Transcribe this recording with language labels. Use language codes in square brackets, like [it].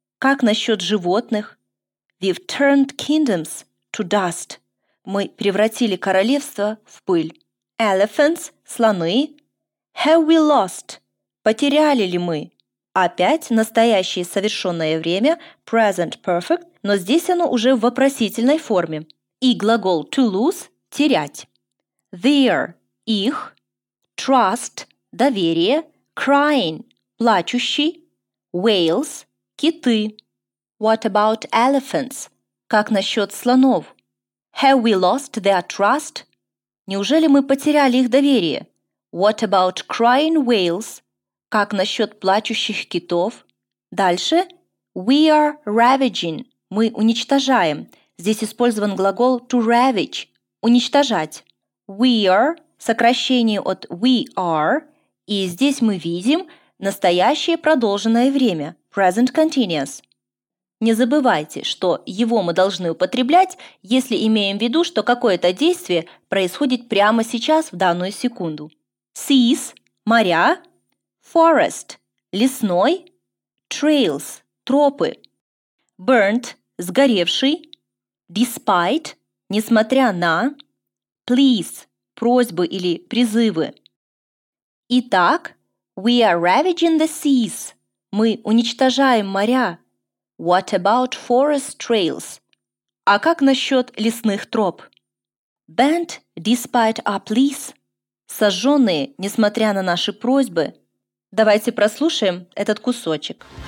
[ru] Как насчет животных? [en] We've turned kingdoms to dust. [ru] мы превратили королевство в пыль. Elephants – слоны. [en] Have we lost? [ru] Потеряли ли мы? Опять настоящее совершенное время, present perfect, но здесь оно уже в вопросительной форме. И глагол to lose – терять. Their – их. Trust – доверие. Crying – плачущий. Whales – киты. [en] What about elephants? [ru] Как насчет слонов? [en] Have we lost their trust? [ru] Неужели мы потеряли их доверие? [en] What about crying whales? [ru] Как насчет плачущих китов? Дальше. [en] We are ravaging. [ru] Мы уничтожаем. Здесь использован глагол to ravage. Уничтожать. We are, сокращение от we are. И здесь мы видим настоящее продолженное время. Present continuous. Не забывайте, что его мы должны употреблять, если имеем в виду, что какое-то действие происходит прямо сейчас, в данную секунду. Seas – моря. Forest – лесной. Trails – тропы. Burnt – сгоревший. Despite – несмотря на. Please – просьбы или призывы. [en] Итак, we are ravaging the seas. [ru] Мы уничтожаем моря. [en] What about forest trails? [ru] А как насчет лесных троп? [en] Burnt despite our pleas. [ru] Сожженные, несмотря на наши просьбы. Давайте прослушаем этот кусочек.